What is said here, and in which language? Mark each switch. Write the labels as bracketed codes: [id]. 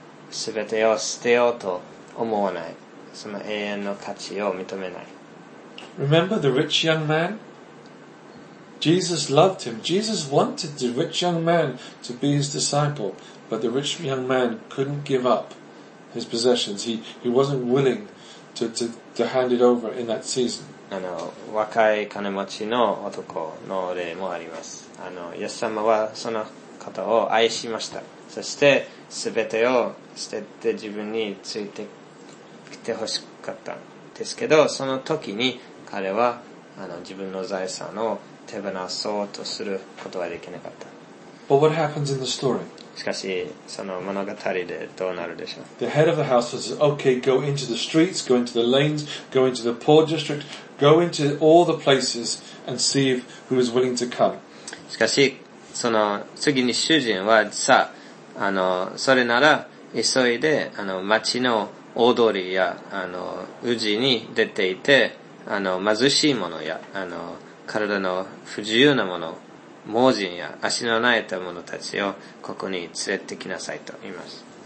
[ja] 全てを捨てようと思わない。その永遠の価値を認めない。 [en] Remember the rich young man? Jesus loved him. Jesus wanted the rich young man to be his disciple, but the rich young man couldn't give up his possessions. He wasn't willing. To hand it over in that season. [ja] 若い金持ちの男の例もあります。イエス様はその方を愛しました。そして全てを捨てて自分についてきてほしかったんですけど、その時に彼は自分の財産を手放そうとすることはできなかった。 [en] But what happens in the story? [ja] しかしその物語でどうなるでしょう。 [en] The head of the house says, okay, go into the streets, go into the lanes, go into the poor district, go into all the places and see if who is willing to come. [ja] しかしその次に主人はさ、それなら急いで町の大通りや宇治に出ていて、貧しいものや体の不自由なもの、盲人や足のない者たちをここに連れてきなさいと言います。